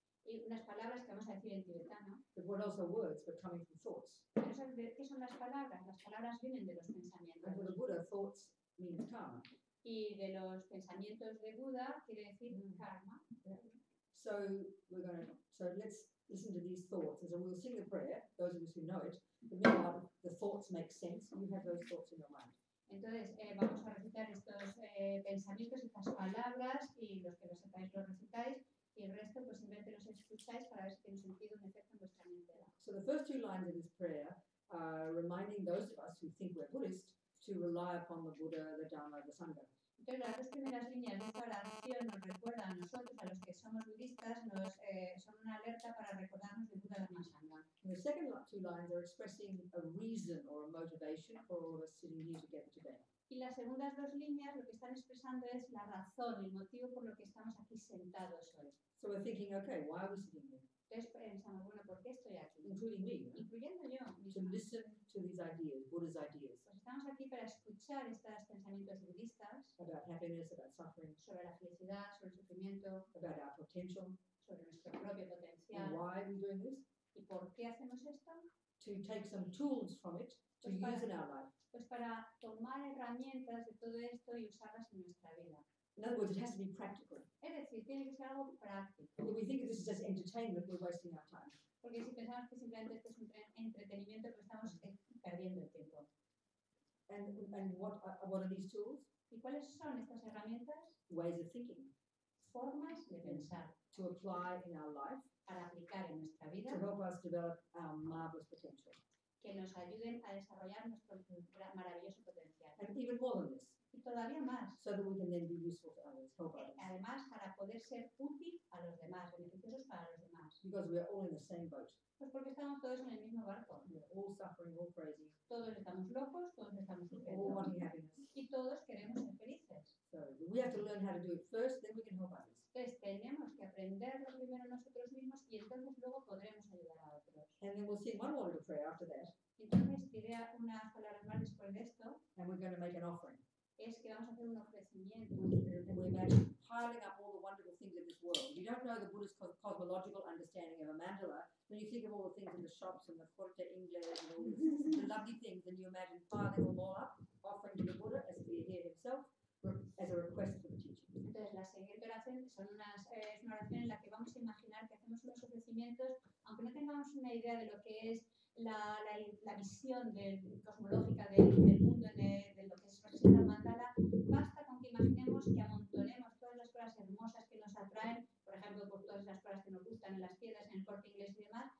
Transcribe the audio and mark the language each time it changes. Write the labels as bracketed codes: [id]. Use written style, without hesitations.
[es] Y unas palabras que vamos a decir en tibetano. [en] But what else are words but coming from thoughts? [es] Pero ¿qué son las palabras? Las palabras vienen de los pensamientos. [en] And for the Buddha, thoughts means karma. [es] Y de los pensamientos de Buda quiere decir karma. [en] Yeah. So we're going to listen to these thoughts, and so we'll sing the prayer, those of us who know it, but now the thoughts make sense, you have those thoughts in your mind. [es] Entonces, vamos a recitar estos pensamientos, estas palabras, y los que lo sepáis lo recitáis, y el resto, pues simplemente los escucháis para ver si tiene sentido un efecto en vuestra mente. [en] So the first two lines of this prayer are reminding those of us who think we're Buddhist to rely upon the Buddha, the Dharma, the Sangha. [es] Entonces, las dos primeras líneas de esta oración nos recuerdan a nosotros, a los que somos budistas, nos son una alerta para recordarnos de Buda Dharma Sangha. [en] The second two lines are expressing a reason or a motivation for all of us sitting here together today. [es] Y las segundas dos líneas lo que están expresando es la razón, el motivo por lo que estamos aquí sentados hoy. [en] So we're thinking, okay, why are we sitting here? [es] Entonces pensamos, bueno, ¿por qué estoy aquí? [en] Including me, [es] incluyendo yo. [en] To listen to these ideas, Buddha's ideas. [es] Pues estamos aquí para escuchar estos pensamientos budistas. [en] About happiness, about suffering. [es] Sobre la felicidad, sobre el sufrimiento. [en] About our potential. [es] Sobre nuestro propio potencial. [en] And why are we doing this? [es] ¿Y por qué hacemos esto? [en] To take some tools from it to pues use in our life. [es] Pues para tomar herramientas de todo esto y usarlas en nuestra vida. [en] In other words, it has to be practical. [es] Es decir, tiene que ser algo práctico. [en] If we think this is just entertainment, we're wasting our time. [es] Porque si pensamos que simplemente esto es un entretenimiento, pues estamos perdiendo el tiempo. [en] And what are these tools? [es] ¿Y cuáles son estas herramientas? [en] Ways of thinking. [es] Formas de pensar. [en] To apply in our life. [es] Para aplicar en nuestra vida. [en] To help us develop our marvelous potential. [es] Que nos ayuden a desarrollar nuestro maravilloso potencial. [en] And even more than this. [es] Y todavía más. [en] So that we can then be useful to others, help others. [es] Además, para poder ser útil a los demás, beneficiosos para los demás. [en] Because we are all in the same boat. [es] Pues porque estamos todos en el mismo barco. [en] We're all suffering, all crazy. [es] Todos estamos locos, todos estamos sufriendo. [en] All wanting happiness. [es] Y todos queremos ser felices. [en] So we have to learn how to do it first, then we can help others. [es] Entonces tenemos que aprenderlo primero nosotros mismos y entonces luego podremos ayudar a otros. [en] And then we'll sing one more little prayer after that. [es] Entonces diré unas palabras más después de esto. [en] And we're going to make an offering. [es] Es que vamos a hacer un ofrecimiento. [en] We imagine piling up all the wonderful things in this world. You don't know the Buddha's cosmological understanding of a mandala. When you think of all the things in the shops and the corte inglés and all the lovely things, then you imagine piling them all up, offering to the Buddha as he here himself. As a request for the teaching. [es] Entonces, la siguiente oración son unas, es una oración en la que vamos a imaginar que hacemos unos ofrecimientos, aunque no tengamos una idea de lo que es la visión cosmológica del mundo, de lo que es representa el mandala, basta con que imaginemos que amontonemos todas las cosas hermosas que nos atraen, por ejemplo, por todas las cosas que nos gustan en las tiendas, en el Corte Inglés y demás.